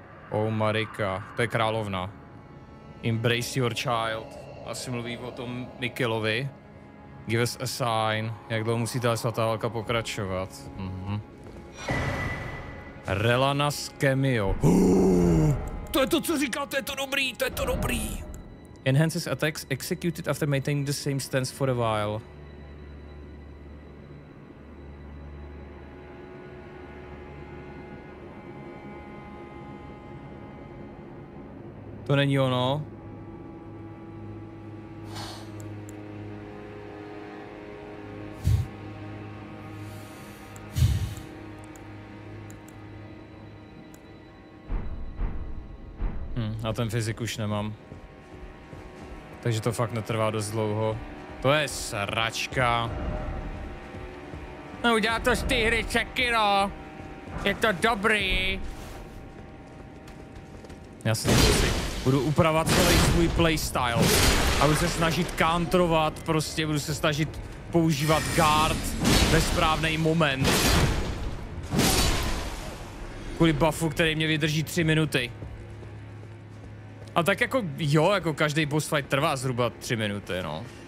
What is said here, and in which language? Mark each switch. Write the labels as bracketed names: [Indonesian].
[Czech] Oh Marika, to je královna. [English] Embrace your child. [Czech] Asi mluví o tom Mikilovi. [English] Give us a sign. [Czech] Jak dlouho musí ta svatá válka pokračovat? Mm-hmm. Relanas Cameo. To je to, co říkal, to je to dobrý, to je to dobrý. [English] Enhances attacks executed after maintaining the same stance for a while. [Czech] To není ono. A ten fyzik už nemám. Takže to fakt netrvá dost dlouho. To je sračka. No udělá to z té hry Sekiro. Je to dobrý. Jasně. Budu upravovat celý svůj playstyle a budu se snažit counterovat, prostě budu se snažit používat guard ve správný moment. Kvůli buffu, který mě vydrží 3 minuty. A tak jako jo, jako každý boss fight trvá zhruba 3 minuty, no.